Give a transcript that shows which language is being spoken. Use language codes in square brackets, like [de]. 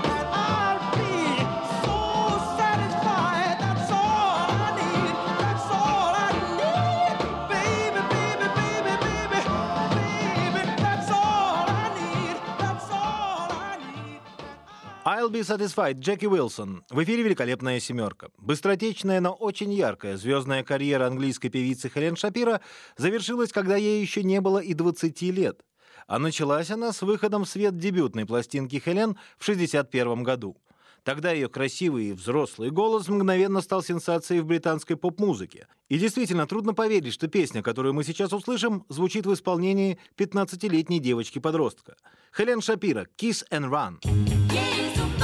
[en] And I'll be so satisfied. That's all I need, that's all I need. Baby, baby, baby, baby, baby. That's all I need, that's all I need. I'll be satisfied, [ru] Джеки Уилсон. В эфире «Великолепная семерка». Быстротечная, но очень яркая звездная карьера английской певицы Хелен Шапира завершилась, когда ей еще не было и 20 лет. А началась она с выходом в свет дебютной пластинки Хелен в 61-м году. Тогда ее красивый и взрослый голос мгновенно стал сенсацией в британской поп-музыке. И действительно, трудно поверить, что песня, которую мы сейчас услышим, звучит в исполнении 15-летней девочки-подростка. Хелен Шапира, «Kiss and Run».